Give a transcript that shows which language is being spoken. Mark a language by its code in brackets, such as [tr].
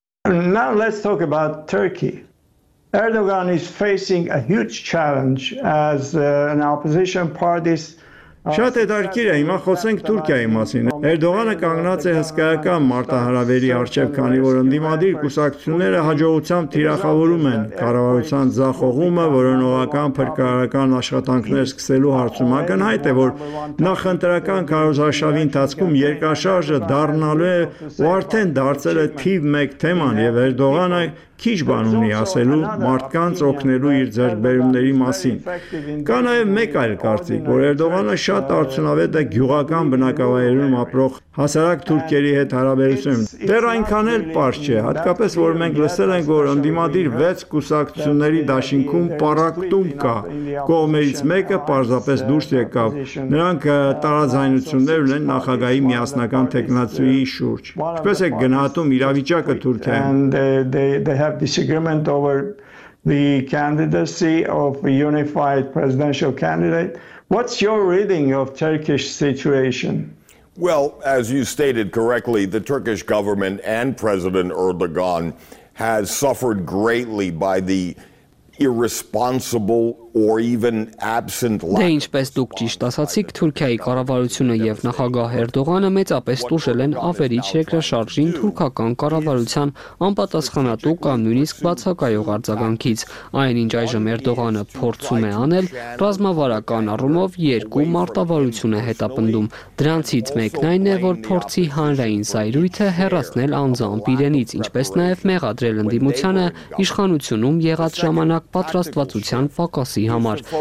[en] Now let's talk about Turkey. Erdogan is facing a huge challenge as an opposition party. [hy] Շատ հետաքրքիր է, հիմա խոսենք Թուրքիայի մասին։ Էրդողանը կանգնած է հսկայական մարտահրավերի առջև, քանի որ ընդդիմադիր կուսակցությունները հաջողությամբ թիրախավորում են կառավարության ձախողումը, որոնողական փրկարարական աշխատանքներ սկսելու հարցում։ Ակնհայտ է, որ նախընտրական քարոզարշավի ընթացքում երկրաշարժը դառնալու է ու արդեն դարձել է թիվ մեկ թեման, և Էրդողանը քիչ բան ունի ասելու մարդկանց օգնելու իր ձեռքբերումների մասին։ Կա նաև մեկ այլ կարծիք, որ Էրդողանը շատ արդյունավետ է գյուղական բնակավայրում ապրող հասարակ թուրքերի հետ հարաբերությունում։ Դեռ այնքան էլ պարզ չէ, հատկապես որ մենք լսել ենք, որ ընդդիմադիր 6 կուսակցությունների դաշինքում պարակտում կա, կողմերից մեկը պարզապես դուրս եկավ, նրանք տարաձայնություններ ունեն նախագահի միասնական թեկնածուի շուրջ։ Ինչպես եք գնահատում իրավիճակը Թուրքիայում? [en] They have disagreement over the candidacy of a unified presidential candidate. What's your reading of Turkish situation? Well, as you stated correctly, the Turkish government and President Erdogan has suffered greatly by the irresponsible or even absent life. [hy] Դե ինչպես դուք ճիշտ ասացիք, Թուրքիայի կառավարությունը եւ նախագահ Էրդողանը մեծապես տուժել են ավերիչ երկրաշարժին թուրքական կառավարության անպատասխանատու կամ նույնիսկ բացակայող արձագանքից։ Այնինչ այժմ Էրդողանը փորձում է անել, ռազմավարական առումով երկու մարտավարություն է հետապնդում, դրանցից մեկն այն է, որ փորձի հանրային զայրույթը հեռացնել անձամբ իրենից, ինչպես նաեւ մեղադրել ընդդիմությանը իշխանությունում եղած ժամանակ պատրաստվածության փակոս սի համար։